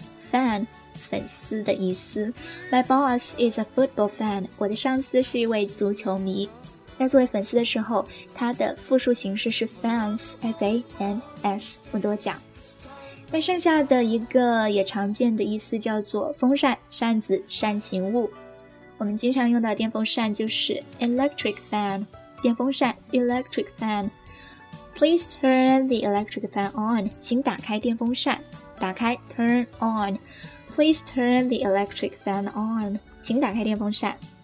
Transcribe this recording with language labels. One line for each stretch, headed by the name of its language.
Chinese: Fan， 粉丝的意思。
English: My boss is a football fan，我的上司是一位足球迷。
Chinese: 那作为粉丝的时候，它的复数形式是 fans， F-A-N-S， 不多讲。那剩下的一个也常见的意思叫做风扇、扇子、扇形物。我们经常用到电风扇就是 electric fan， 电风扇 electric fan。
English: Please turn the electric fan on，请打开电风扇。打开 turn on， Please turn the electric fan on，请打开电风扇。